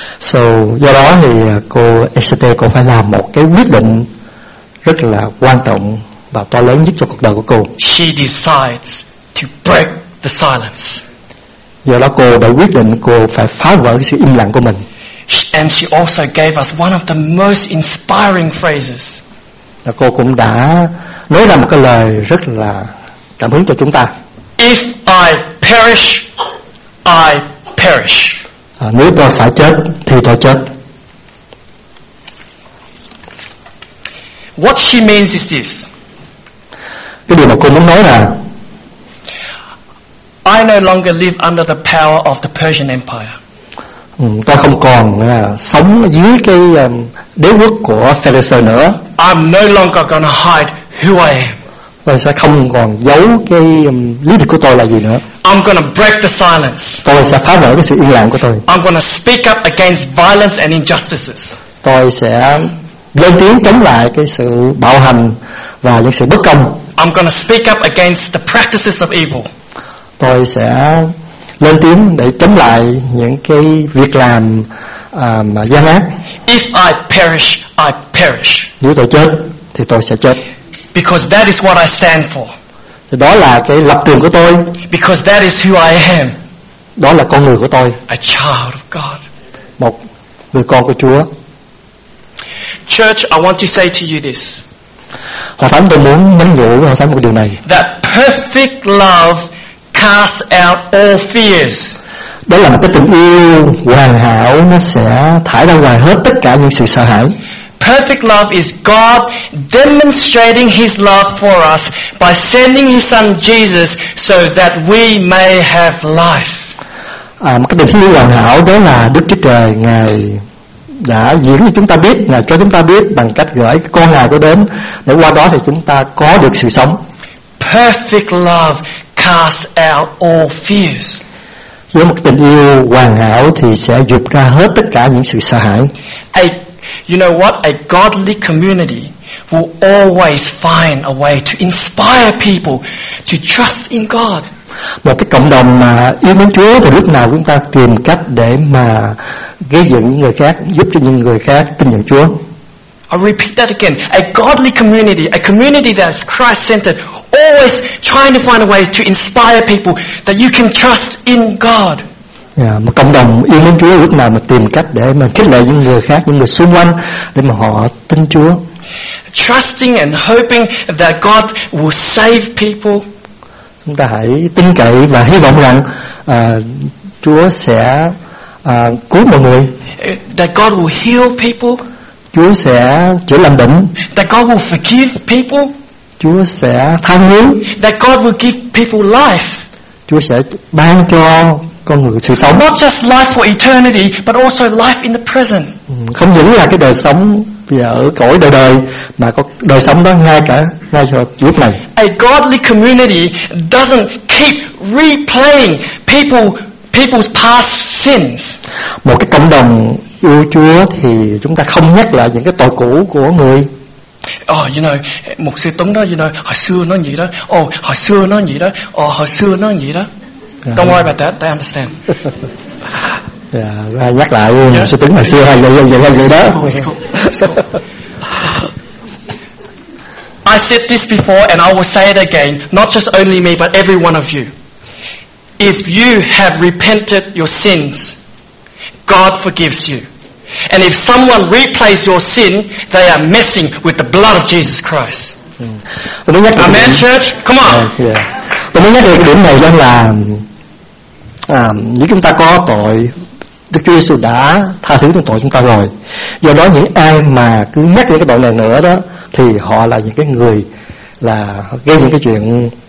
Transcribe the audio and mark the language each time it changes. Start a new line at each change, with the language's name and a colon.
Vietnamese: So do đó thì cô Esther cũng phải làm một cái quyết định rất là quan trọng và to lớn nhất cho cuộc đời của cô.
English: She decides to break the silence.
Vietnamese: Do đó cô đã quyết định cô phải phá vỡ cái sự im lặng của mình.
English: And she also gave us one of the most inspiring phrases.
Vietnamese: Và cô cũng đã nói ra một cái lời rất là cảm hứng cho chúng ta.
English: If I perish, I perish.
Vietnamese: Nếu tôi phải chết thì tôi chết.
English: What she means is this.
Vietnamese: Cái điều mà cô muốn nói là
English: I no longer live under the power of the Persian Empire.
Vietnamese: Ta không còn sống dưới cái đế quốc của Pharisee nữa.
English: I'm no longer gonna hide who I am.
Vietnamese: Ta sẽ không còn giấu cái lý lịch của tôi là gì nữa.
English: I'm gonna break the silence.
Vietnamese: Tôi sẽ phá vỡ cái sự im lặng của tôi.
English: I'm gonna speak up against violence and injustices.
Vietnamese: Tôi sẽ lên tiếng chống lại cái sự bạo hành và những sự bất công.
English: I'm gonna speak up against the practices of evil.
Vietnamese: Tôi sẽ lên tiếng để chống lại những cái việc làm mà gian ác.
English: If I perish, I perish.
Vietnamese: Nếu tôi chết, thì tôi sẽ chết.
English: Because that is what I stand for.
Vietnamese: Đó là cái lập trường của tôi.
English: Because that is who I am.
Vietnamese: Đó là con người của tôi.
English: A child of God.
Vietnamese: Một người con của Chúa.
English: Church, I want to say to you this.
Vietnamese: Hội thánh, tôi muốn nhắn nhủ với hội thánh một điều này.
English: That perfect love casts out all fears.
Vietnamese: Đó là một cái tình yêu hoàn hảo, nó sẽ thải ra ngoài hết tất cả những sự sợ hãi.
English: Perfect love is God demonstrating His love for us by sending His Son Jesus so that we may have life.
Vietnamese: Cái tình yêu hoàn hảo đó là Đức Chúa Trời Ngài đã diễn cho chúng ta biết, Ngài cho chúng ta biết bằng cách gửi con Ngài đó đến, để qua đó thì chúng ta có được sự sống.
English: Perfect love casts out all fears.
Vietnamese: Với một tình yêu hoàn hảo thì sẽ dục ra hết tất cả những sự sợ hãi.
English: You know what? A godly community will always find a way to inspire people to trust in God.
Vietnamese: Một cái cộng đồng mà yêu mến Chúa thì lúc nào chúng ta tìm cách để mà gây dựng những người khác, giúp cho những người khác tin nhận Chúa.
English: I repeat that again. A godly community, a community that is Christ-centered, always trying to find a way to inspire people that you can trust in God.
Vietnamese: Một cộng đồng yêu mến Chúa lúc nào mà tìm cách để mà khích lệ những người khác, những người xung quanh để mà họ tin Chúa.
English: Trusting and hoping that God will save people.
Vietnamese: Chúng ta hãy tin cậy và hy vọng rằng Chúa sẽ cứu mọi người.
English: That God will heal people.
Vietnamese: Chúa sẽ chữa lành bệnh.
English: That God will forgive people.
Vietnamese: Chúa sẽ tha thứ.
English: That God will give people life.
Vietnamese: Chúa sẽ ban cho con người sự sống.
English: Not just life for eternity, but also life in the present.
Vietnamese: Không những là cái đời sống ở cõi đời đời, mà có đời sống đó ngay cho lúc này.
English: A godly community doesn't keep replaying people's past sins.
Vietnamese: Một cái cộng đồng yêu Chúa thì chúng ta không nhắc lại những cái tội cũ của người.
English: Oh, you know,
Vietnamese: một sư Tuấn đó,
English: you know,
Vietnamese: hồi xưa nó gì đó. Oh, hồi xưa nó gì đó. Oh, hồi xưa nó gì đó.
English: Don't worry about that. They understand.
Vietnamese: Yeah, nhắc lại luôn. Yeah. Sư Tuấn hồi xưa hay vậy đó.
English: It's cool. I said this before and I will say it again. Not just only me, but every one of you. If you have repented your sins, God forgives you. And if someone replays your sin, they are messing with the blood of Jesus Christ. Amen, church. Come on.
Vietnamese: Tôi muốn nhắc đến cái điểm này đó là nếu chúng ta có tội, Đức Chúa Giêsu đã tha thứ cho tội chúng ta rồi. Do đó những ai mà cứ nhắc đến cái tội này nữa đó, thì họ là những cái người là gây những cái chuyện.